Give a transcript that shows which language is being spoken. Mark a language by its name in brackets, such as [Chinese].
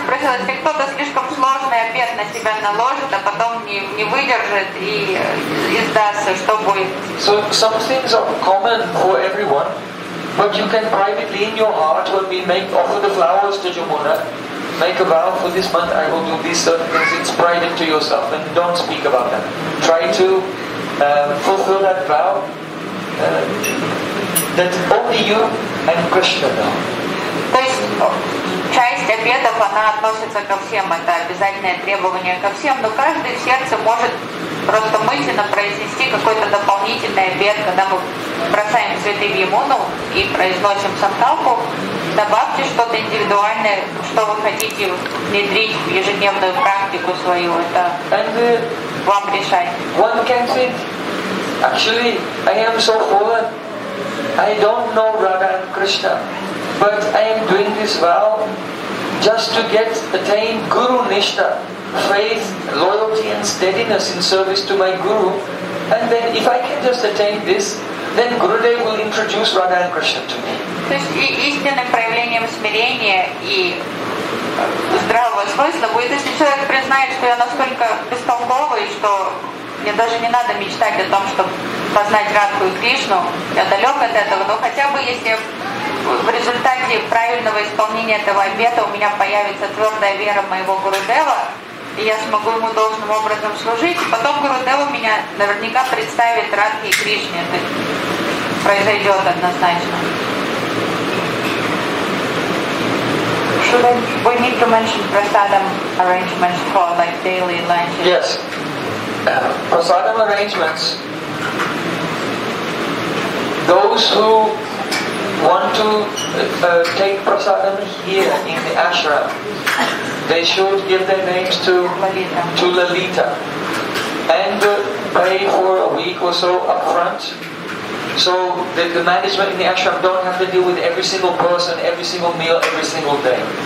[Russian] спросил, если кто-то слишком сложный обет на себя наложит, а потом не выдержит и сдастся, что будет? [English] So some things are common for everyone, but you can privately in your heart when we make offer the flowers to Jamuna, make a vow for this month I will do these certain things. It's private to yourself and don't speak about them. Try to fulfill that vow that only you and Krishna know. [Russian] То есть часть обетов, она относится ко всем, это обязательное требование ко всем, но каждый в сердце может просто мысленно произнести какой-то дополнительный обет, когда мы бросаем цветы в Ямуну и произносим санкалпу, добавьте что-то индивидуальное, что вы хотите внедрить в ежедневную практику свою, это вам решать. [English] One can say, actually, I am so poor, I don't know Radha and Krishna. But I am doing this vow just to get attain Guru Nishtha, faith, loyalty and steadiness in service to my Guru. And then if I can just attain this, then Gurudev will introduce Radha and Krishna to me. [Russian] То есть истинным проявлением смирения и здравого смысла будет, если человек признает, что я настолько бестолковый, что мне даже не надо мечтать о том, чтобы познать Радху и Кришну. Я далек от этого, но хотя бы если в результате правильного исполнения этого обета у меня появится твердая вера моего Гурудева, и я смогу ему должным образом служить, и потом Гурудева меня наверняка представит Радхе и Кришне. Это произойдет однозначно. [English] Should I, we need to mention prasadam arrangements for like daily lunches? Yes. Prasadam arrangements. Those who want to take prasadam here in the ashram, they should give their names to Lalita and pay for a week or so up front, so that the management in the ashram don't have to deal with every single person, every single meal, every single day.